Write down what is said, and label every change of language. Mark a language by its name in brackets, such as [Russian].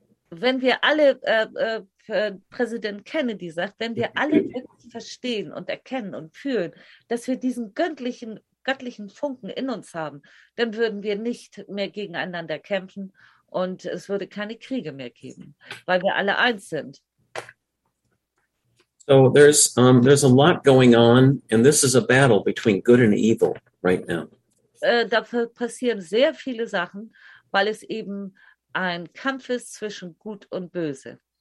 [German] Wenn wir alle Präsident Kennedy sagt, wenn wir alle wirklich verstehen und erkennen und fühlen, dass wir diesen göttlichen göttlichen Funken in uns haben, dann würden wir nicht mehr gegeneinander kämpfen und es würde keine Kriege mehr geben, weil wir alle eins sind. [English] So there's a lot going on, and this is a battle between good and evil right now. [German] Da passieren sehr viele Sachen, weil es eben ein Kampf ist zwischen Gut und Böse.